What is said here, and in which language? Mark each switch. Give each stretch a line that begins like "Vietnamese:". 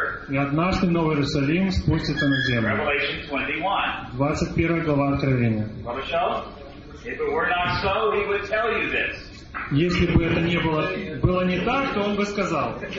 Russian: И однажды новый Иерусалим спустится на землю. 21 глава Откровения.
English: If it were not so, he would tell you this.
Russian: Если бы это не было, было не так, то он бы сказал.